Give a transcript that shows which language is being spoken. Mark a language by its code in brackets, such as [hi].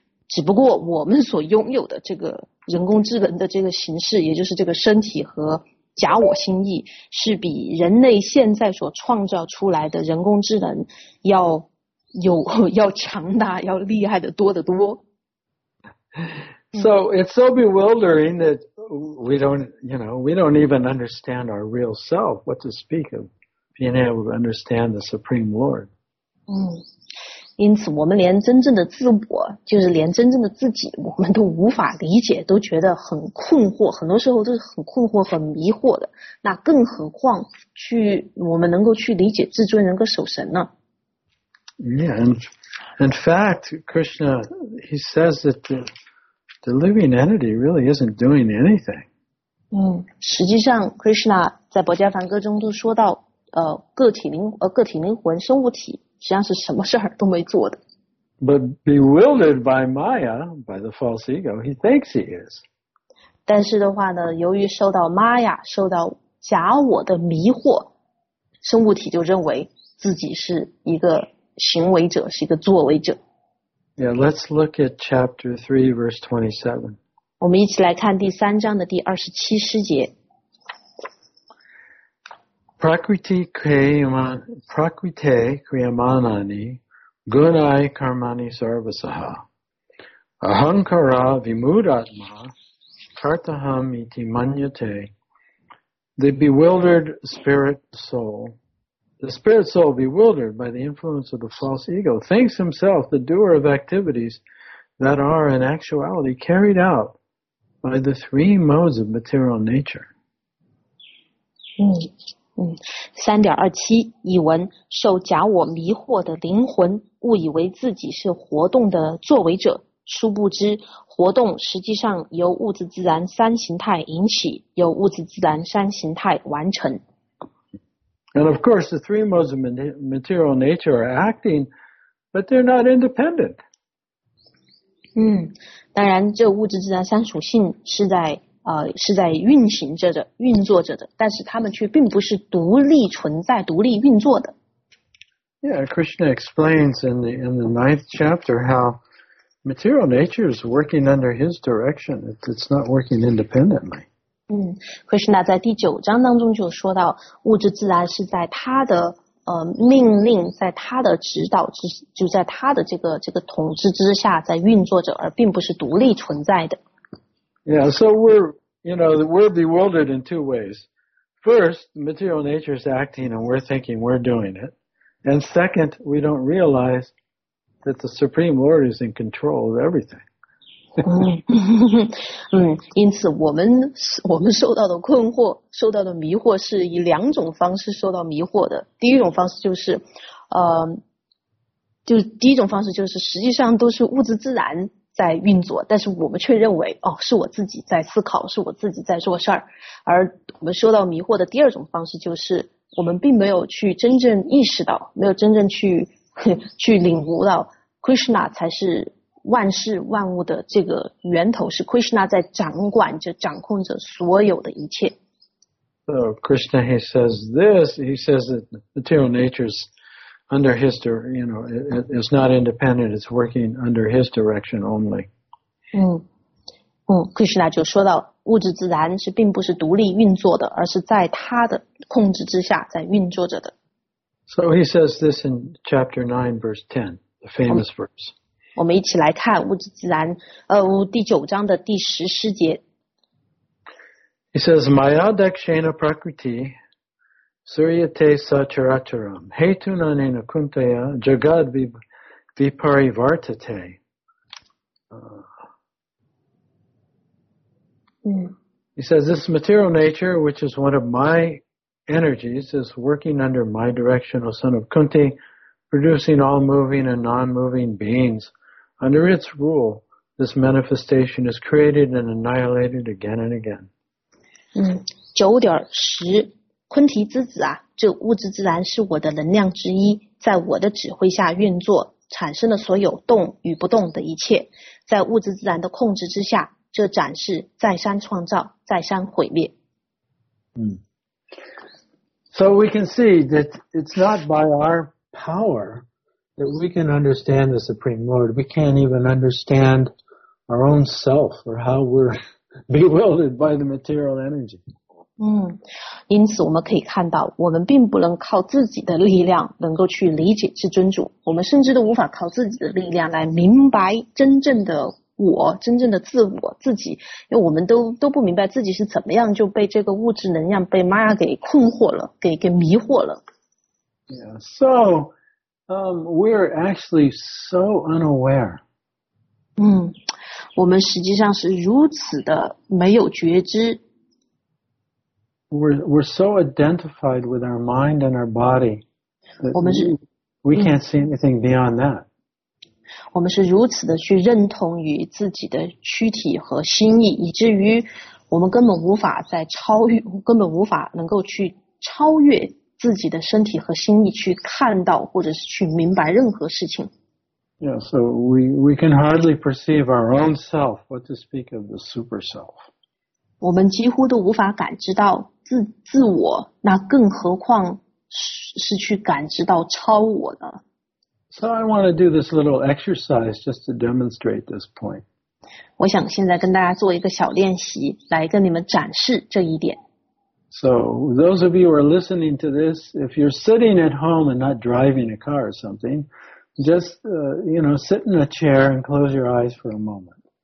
[zh] 只不过我们所拥有的这个人工智能的这个形式，也就是这个身体和假我心意，是比人类现在所创造出来的人工智能要强大、要厉害的多得多。 [en] So it's so bewildering that we don't even understand our real self. What to speak of being able to understand the Supreme Lord? [zh] 因此我们连真正的自我，就是连真正的自己，我们都无法理解，都觉得很困惑，很多时候都是很困惑很迷惑的，那更何况去我们能够去理解至尊人格守神呢？ [en] Yeah, and in fact, Krishna, he says that the living entity really isn't doing anything. [zh] 实际上 Krishna 在博迦梵歌中都说到个体灵魂生物体实际上是什么事儿都没做的。 [en] But bewildered by Maya, by the false ego, he thinks he is. [zh] 但是的话呢，由于受到 Maya, 受到假我的迷惑，生物体就认为自己是一个行为者，是一个作为者。 [en] Yeah, let's look at chapter 3, verse 27. [zh] 我们一起来看第三章的第二十七诗节。 [sa] Prakriti kriyamanani gunai karmani sarvasaha ahankara vimudatma kartaham iti manyate. [en] The bewildered spirit soul, the spirit soul bewildered by the influence of the false ego, thinks himself the doer of activities that are in actuality carried out by the three modes of material nature. [zh] ,3.27, 译文，受假我迷惑的灵魂误以为自己是活动的作为者，殊不知活动实际上由物质自然三形态引起，由物质自然三形态完成。 [en] And of course, the three modes of material nature are acting, but they're not independent. [zh] 当然这物质自然三属性是在是在运行着的，运作着的，但是他们却并不是独立存在、独立运作的。 [en] Yeah, Krishna explains in the ninth chapter how material nature is working under his direction. It's not working independently. [zh] Krishna 在第九章当中就说到，物质自然是在他的命令，在他的指导之，就在他的这个统治之下在运作着，而并不是独立存在的。 [en] Yeah, so we're bewildered in two ways. First, material nature is acting and we're thinking we're doing it. And second, we don't realize that the Supreme Lord is in control of everything. [zh] 因此我们受到的困惑，受到的迷惑是以两种方式受到迷惑的。第一种方式就是实际上都是物质自然在运作，但是我们却认为是我自己在思考，是我自己在做事儿。而我们受到迷惑的第二种方式就是我们并没有去真正意识到，没有真正去领悟到 Krishna 才是万事万物的这个源头，是 Krishna 在掌管着，掌控着所有的一切。 [en] So Krishna, he says that material nature is under his, you know, it's not independent, it's working under his direction only. [zh] Krishna 就说到物质自然是并不是独立运作的，而是在他的控制之下在运作着的。 [en] So he says this in chapter 9, verse 10, the famous verse. [zh] 我们一起来看物质自然第九章的第十诗节。 [en] He says, [sa] Maya Dakshena Prakriti,Suryate Sacharacharam, Hetunanena Kuntaya, Jagad Viparivartate. [en] He says, this material nature, which is one of my energies, is working under my direction, O son of Kunti, producing all moving and non-moving beings. Under its rule, this manifestation is created and annihilated again and again. 9.10. [zh] 昆提之子啊，这物质自然是我的能量之一，在我的指挥下运作，产生了所有动与不动的一切，在物质自然的控制之下，这展示再三创造，再三毁灭。 [en] So we can see that it's not by our power that we can understand the Supreme Lord. We can't even understand our own self or how we're bewildered by the material energy. [zh] 因此我们可以看到，我们并不能靠自己的力量能够去理解至尊主，我们甚至都无法靠自己的力量来明白真正的我，真正的自我自己，因为我们都不明白自己是怎么样就被这个物质能量被 Maya 给困惑了，给迷惑了。 [en] Yeah, so We're actually so unaware. [zh] 我们实际上是如此的没有觉知。 [en] We're so identified with our mind and our body that [zh] 我们是, [en] we can't see anything beyond that. [zh] 我们是如此的去认同于自己的躯体和心意，以至于我们根本无法再超越，根本无法能够去超越自己的身体和心意去看到或者是去明白任何事情。 [en] Yeah, so we can hardly perceive our own self, what to speak of the super self. [zh] 我们几乎都无法感知到自我，那更何况是去感知到超我呢？ [en] So I want to do this little exercise just to demonstrate this point. [zh] 我想现在跟大家做一个小练习，来跟你们展示这一点。 [en] So those of you who are listening to this, if you're sitting at home and not driving a car or something, just, you know, sit in a chair and close your eyes for a moment.